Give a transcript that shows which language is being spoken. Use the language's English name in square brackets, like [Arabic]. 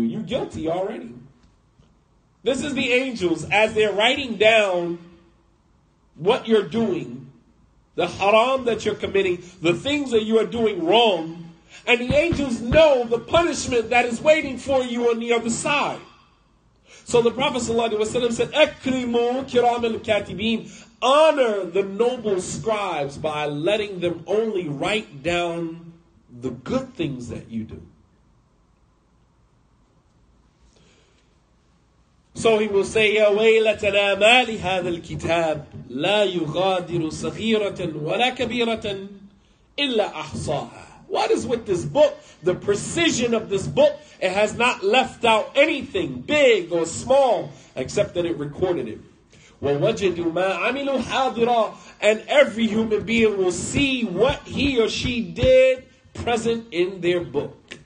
[English] You're guilty already. This is the angels as they're writing down what you're doing, the haram that you're committing, the things that you are doing wrong, and the angels know the punishment that is waiting for you on the other side. So the Prophet ﷺ said, [Arabic] "Akrimu kiram al-katibin," [English] honor the noble scribes by letting them only write down the good things that you do. So he will say, [Arabic] يَا وَيْلَتَنَا مَا لِهَذَا الْكِتَابِ لَا يُغَادِرُ صَغِيرَةً وَلَا كَبِيرَةً إِلَّا أَحْصَاهَا. [English] What is with this book? The precision of this book, it has not left out anything big or small, except that it recorded it. [Arabic] وَوَجَدُوا مَا عَمِلُوا حَاضِرًا. [English] And every human being will see what he or she did present in their book.